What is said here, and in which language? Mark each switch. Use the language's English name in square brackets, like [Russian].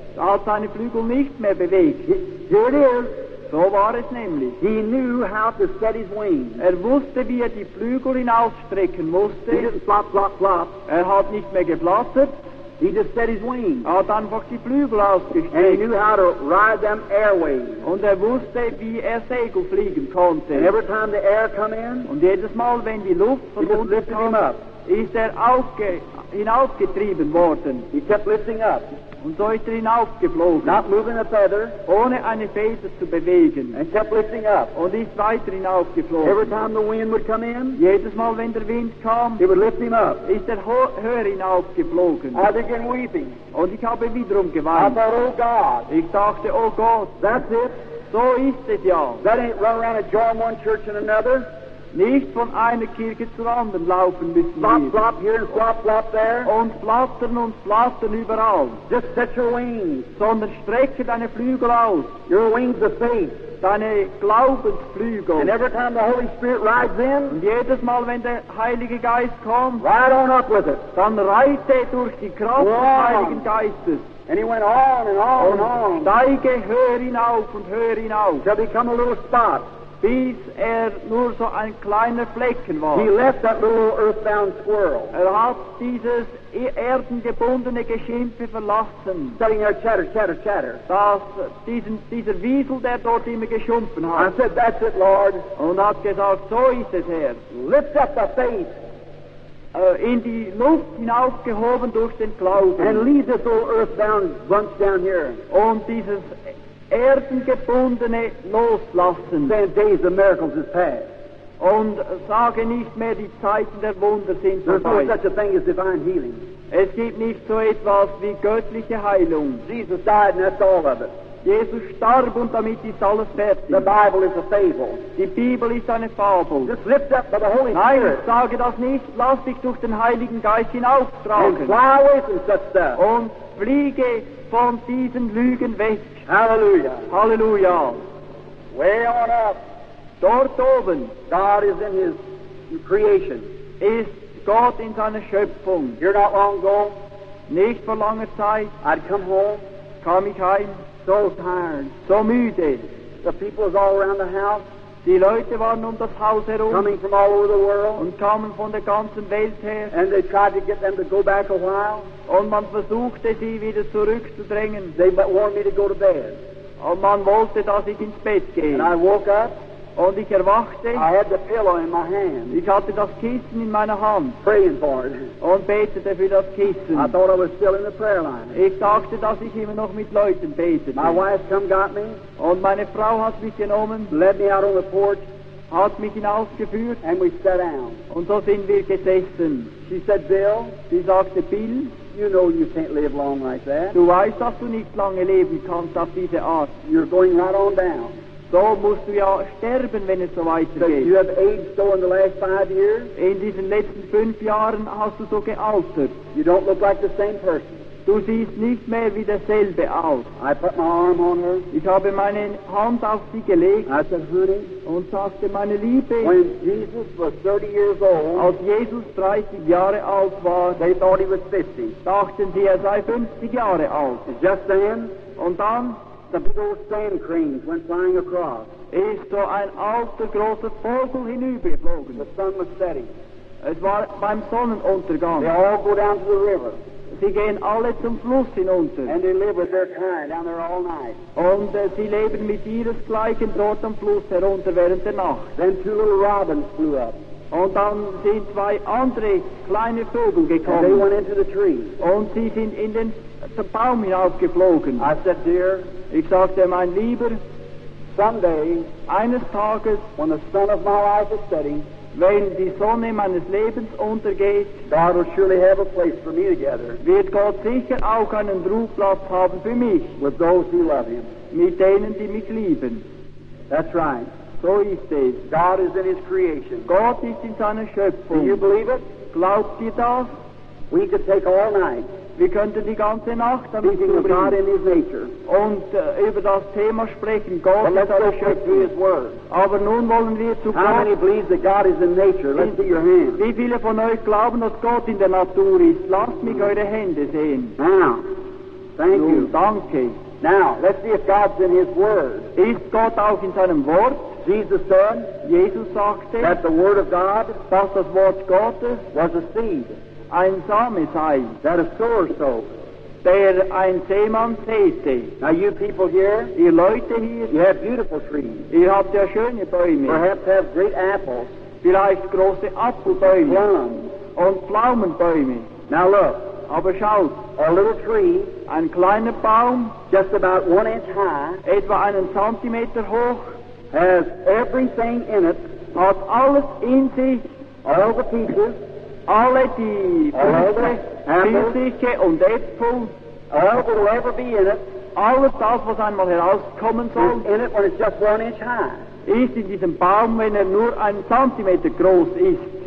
[German] Da hat seine Flügel nicht mehr bewegt. [English] Here it is. [German] So war es nämlich. [English] He knew how to set his wings. [German] Wusste, wie die Flügel ihn ausstrecken musste. [English] He didn't flap, flap, flap. [German] Hat nicht mehr geflattert. [English] He just set his wings. [German] Hat einfach die Flügel ausgestreckt. [English] And he knew how to ride them airways. [German] Und wusste, wie Segel fliegen konnte. [English] And every time the air come in. [German] Und jedes Mal, wenn die Luft von [English] he just lifted him up. [German] Ist hinaufgetrieben worden. [English] He kept lifting up. [German] Und so ist hinaufgeflogen. [English] Not moving a feather. [German] Ohne eine Feder zu bewegen. [English] And kept lifting up. [German] Und ist weiter hinaufgeflogen. [English] Every time the wind would come in. [German] Jedes Mal, wenn der Wind kam. [English] It would lift him up. [German] Ist höher hinaufgeflogen. [English] I began weeping. [German] Und ich habe wiederum geweint. [English] I thought, oh God. [German] Ich dachte, oh Gott. [English] That's it. [German] So ist es ja. [English] That ain't run around and join one church and another. [German] Nicht von einer Kirche zur anderen laufen müssen wir. [English] Flop, flop here, flop, flop there. [German] Und flattern überall. [English] Just set your wings. [German] Sondern strecke deine Flügel aus. [English] Your wings of faith. [German] Deine Glaubensflügel. [English] And every time the Holy Spirit rides in. [German] Und jedes Mal, wenn der Heilige Geist kommt. [English] Ride on up with it. [German] Dann reite durch die Kraft des Heiligen Geistes. [English] And he went on and on [German] und [English] and on. [German] Steige höher hinauf und höher hinauf. [English] Shall become a little spot. [German] Bis nur so ein kleiner Flecken war. [English] He left that little earthbound squirrel. [German] Hat dieses erdengebundene Geschimpfe verlassen. [English] Sitting there chatter, chatter, chatter. [German] Dieser Wiesel, der dort immer geschumpfen hat. [English] I said, that's it, Lord. [German] Und hat gesagt, so ist es, Herr. [English] Lift up the faith. [German] In die Luft hinaufgehoben durch den Glauben. [English] And leave this little earthbound bunch down here. [German] Und dieses Erdengebundene loslassen. [English] Then days of miracles is past. [German] Und sage nicht mehr, die Zeiten der Wunder sind [English] there's [German] vorbei. [English] There's no such a thing as divine healing. [German] Es gibt nicht so etwas wie göttliche Heilung. [English] Jesus died and that's all of it. [German] Jesus starb und damit ist alles fertig. [English] The Bible is a fable. [German] Die Bibel ist eine Fabel. [English] Just lift up by the Holy Spirit. [German] Nein, sage das nicht. Lass dich durch den Heiligen Geist hinauftragen. [English] And fly away from such stuff. [German] Und fliege von diesen Lügen weg. [English] Hallelujah. [German] Hallelujah. [English] Way on up. [German] Dort oben. [English] God is in his creation. [German] Ist Gott in seiner Schöpfung. [English] You're not long ago. [German] Nicht vor langer Zeit. [English] I'd come home. [German] Kam ich heim. [English] So tired. [German] So müde. [English] The people was all around the house. [German] Die Leute waren um das Haus herum. [English] Coming from all over the world. [German] Und kamen von der ganzen Welt her. [English] And they tried to get them to go back a while. [German] Und man versuchte, sie wieder zurückzudrängen. [English] They wanted me to go to bed. [German] Und man wollte, dass ich ins Bett gehe. [English] And I woke up. [German] Und ich erwachte. [English] I had the pillow in my hand. [German] Ich hatte das Kissen in meiner Hand. [English] Praying for it. [German] Und betete für das Kissen. [English] I thought I was still in the prayer line. [German] Ich dachte, dass ich immer noch mit Leuten betete. [English] My wife come got me. [German] Und meine Frau hat mich genommen. [English] Led me out on the porch. [German] Hat mich hinausgeführt. [English] And we sat down. [German] Und so sind wir gesessen. [English] She said, Bill. [German] Sie sagte, Bill. [English] You know you can't live long like that. [German] Du weißt, dass du nicht lange leben kannst auf diese Art. [English] You're going right on down. [German] So musst du ja sterben, wenn es so weitergeht. [English] But you have aged so in the last 5 years. [German] In diesen letzten 5 Jahren hast du so gealtert. [English] You don't look like the same person. [German] Du siehst nicht mehr wie derselbe aus. [English] I put my arm on her. [German] Ich habe meine Hand auf sie gelegt. [English] I said, honey, [German] und sagte, meine Liebe, [English] when Jesus was 30 years old, [German] als Jesus 30 Jahre alt war, [English] they thought he was 50. [German] Dachten sie, er sei 50 Jahre alt. [English] Just then, [German] und dann, [English] the big old sand cranes went flying across. [German] Ist so ein alter, großer Vogel hinübergeflogen. [English] The sun was setting. [German] Es war beim Sonnenuntergang. [English] They all go down to the river. [German] Sie gehen alle zum Fluss hinunter. [English] And they live with their kind down there all night. [German] Und sie leben mit ihresgleichen dort am Fluss herunter während der Nacht. [English] Then two little robins flew up. [German] Und dann sind zwei andere kleine Vögel gekommen. [English] And they went into the tree. [German] Und sie sind in den Baum hinaufgeflogen. [English] I said, dear. [German] Ich sagte, mein Lieber, [English] someday, [German] eines Tages, [English] when the sun of my life is setting, [German] wenn die Sonne meines Lebens untergeht, [English] God will surely have a place for me together. [German] Wird Gott sicher auch einen Ruheplatz haben für mich. [English] With those who love him. [German] Mit denen, die mich lieben. [English] That's right. [German] So ist es. [English] God is in his creation. [German] Gott ist in seiner Schöpfung. [English] Do you believe it? [German] Glaubt ihr das? [English] We could take all night. [German] Wir könnten die ganze Nacht damit sprechen und über das Thema sprechen, Gott ist seine Schöpfung. Aber nun wollen wir zu Gott. [English] How many believe that God is in nature? Let's see your hands. [German] Wie viele von euch glauben, dass Gott in der Natur ist? Lasst mich eure Hände sehen. [English] Now, thank you. [German] Danke. [English] Now, let's see if God's in his word. [German] Ist Gott auch in seinem Wort? [English] Jesus said, [German] Jesus sagte, [English] that the word of God, [German] dass das Wort Gottes, [English] was a seed. [German] Ein Same sei, [English] that a sower sowed, [German] der ein Seemann säte. [English] Now you people here, [German] ihr Leute hier, [English] you have beautiful trees. [German] Ihr habt ja schöne Bäume. [English] Perhaps have great apples. [German] Vielleicht große Apfelbäume. [English] Plums. [German] Und Pflaumenbäume. [English] Now look, [German] aber schaut, [English] a little tree, [German] ein kleiner Baum, [English] just about 1 inch high, [German] etwa einen Zentimeter hoch, [English] has everything in it, [German] hat alles in sich, [English] all the pieces. [German] Alle die Pfirsiche und Äpfel, [English] all that will ever be in it, [German] alles das, was einmal herauskommen soll, [English] is in it when it's just 1 inch high. [German] Ist in diesem Baum, wenn nur 1 Zentimeter groß ist.